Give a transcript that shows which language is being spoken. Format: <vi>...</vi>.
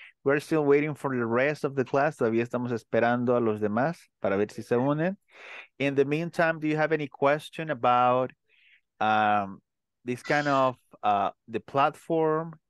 <en>We're still waiting for the rest of the class.</en> <es>Todavía estamos esperando a los demás para ver si se unen.</es> <en>In the meantime, do you have any question about this kind of the platform?</en>